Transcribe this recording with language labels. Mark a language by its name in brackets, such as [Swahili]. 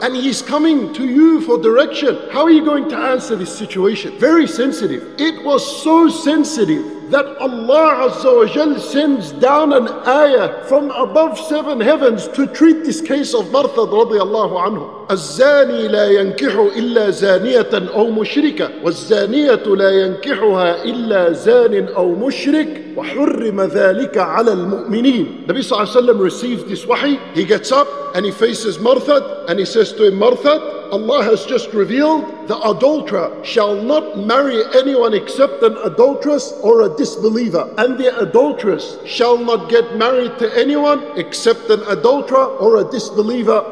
[English] And he's coming to you for direction. How are you going to answer this situation? Very sensitive. It was so sensitive that Allah Azza wa Jal sends down an ayah from above seven heavens to treat this case of Marthad radiallahu anhu. [Arabic] الزاني لا ينكح إلا زانية أو مشركة والزانية لا ينكحها إلا زان أو مشرك وحرم ذلك على المؤمنين. [English] Nabi Sallallahu Alaihi Wasallam received this wahi. He gets up and he faces Marthad and he says to him, Marthad, Allah has just revealed the adulterer shall not marry anyone except an adulteress or a disbeliever. And the adulteress shall not get married to anyone except an adulterer or a disbeliever.